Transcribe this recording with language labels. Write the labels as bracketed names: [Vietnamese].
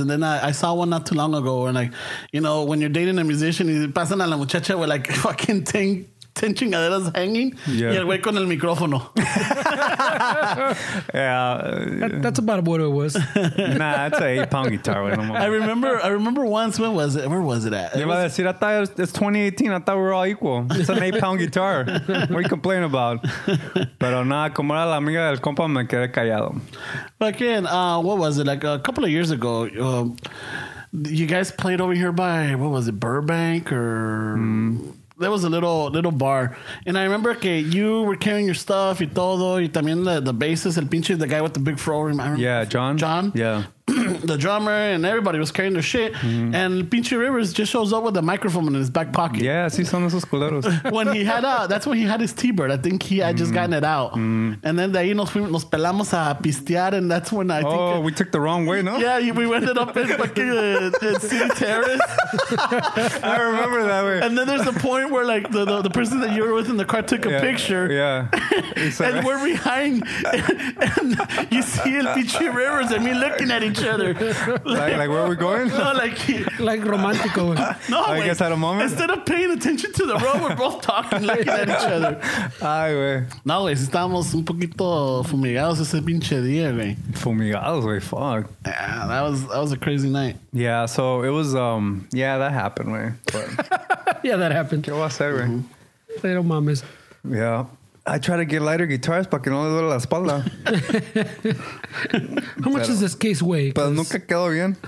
[English] And then I saw one not too long ago and like, you know, when you're dating a musician [Spanish] y pasan a la muchacha [English] with like fucking 10 chingaderas hanging. Yeah. [Spanish] Y el güey con el micrófono. [English] Yeah. That's about what it was. Nah, it's an 8-pound guitar. I remember once, when was it? Where was it at? Yeah, it was, I thought it's 2018. I thought we were all equal. It's an 8-pound guitar. What are you complaining about? [Spanish] Pero nada, como era la amiga del compa, me quedé callado. [English] But again, what was it? Like a couple of years ago, you guys played over here by, what was it, Burbank or... Mm. There was a little bar. And I remember que you were carrying your stuff [Spanish] y todo. Y también [English] the bassist, [Spanish] el pinche, [English] the guy with the big fro. Yeah, John. John. Yeah. The drummer and everybody was carrying their shit. Mm-hmm. And pinche Rivers just shows up with a microphone in his back pocket. Yeah, [Spanish] sí son esos culeros. [English] When he had that's when he had his T-Bird. I think he had just gotten it out. Mm-hmm. And then [Spanish] de ahí nos pelamos a pistear. [English] And that's when I think... Oh, we took the wrong way, no? Yeah, we ended up in fucking City Terrace. I remember that way. And then there's a point where like the person that you were with in the car took a picture. Yeah. And we're behind. And you see el pinche Rivers and me looking at each other. Like where are we going? No, like like romantico. No, I guess at a moment. Instead of paying attention to the road, we're both talking, looking at each other. [Spanish] Ay, güey. No, güey, estábamos un poquito fumigados ese pinche día, güey. Fumigados, güey, fuck. [English] Yeah, that was a crazy night. Yeah, so it was yeah, that happened, güey. Yeah, that happened. [Spanish] ¿Qué va a ser, güey? Pero mames. [English] Yeah. I try to get lighter guitars [Spanish] para que no le duele la espalda. [English] How much does this case weigh? [Spanish] Pero nunca quedó bien.